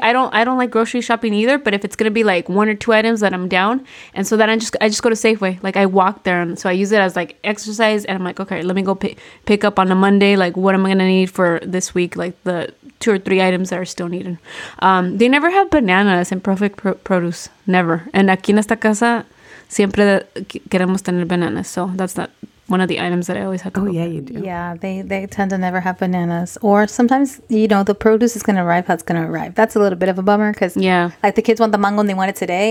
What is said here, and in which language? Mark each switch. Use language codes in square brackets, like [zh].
[en] I don't like grocery shopping either, but if it's going to be like one or two items that I'm down, and so then I just go to Safeway. Like, I walk there, and so I use it as like exercise, and I'm like, okay, let me go pick up on a Monday, like, what am I going to need for this week, like the two or three items that are still needed. They never have bananas in Perfect Produce. Never. [es] And aquí en esta casa, siempre queremos tener bananas. [en] So that's not one of the items that I always have to go. Oh, yeah, you do. Yeah, they tend to never have bananas. Or sometimes, you know, the produce is going to arrive how it's going to arrive. That's a little bit of a bummer because, yeah, like, the kids want the mango and they want it today.